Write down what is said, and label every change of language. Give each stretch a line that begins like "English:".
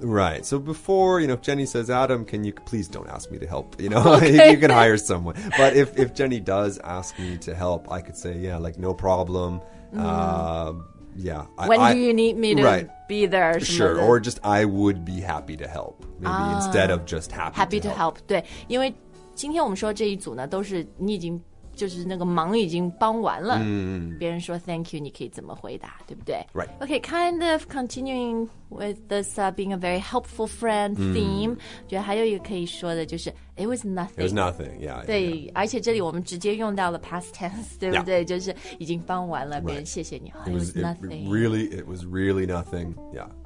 English: Right, so before, you know, if Jenny says, Adam, can you, please don't ask me to help, you know,、 okay. you can hire someone. But if Jenny does ask me to help, I could say, yeah, like, no problem.、Yeah. When do you need me to be there? Sure, or just I would be happy to help, maybe、instead of just happy to help.
Chinese: 对因为今天我们说这一组呢都是你已经就是那个忙已经帮完了、别人说
English: thank you
Chinese: 你可以怎么回答对不对
English: Right. Okay, kind of continuing with this、being a very helpful friend theme
Chinese: 觉得还有一个可以说的就是
English: It was nothing It was nothing, yeah
Chinese: 对
English: yeah.
Chinese: 而且这里我们直接用到了 past tense 对不对、
English: yeah.
Chinese: 就是已经帮完了、
English: right.
Chinese: 别人谢谢你
English: It was nothing it was really nothing, yeah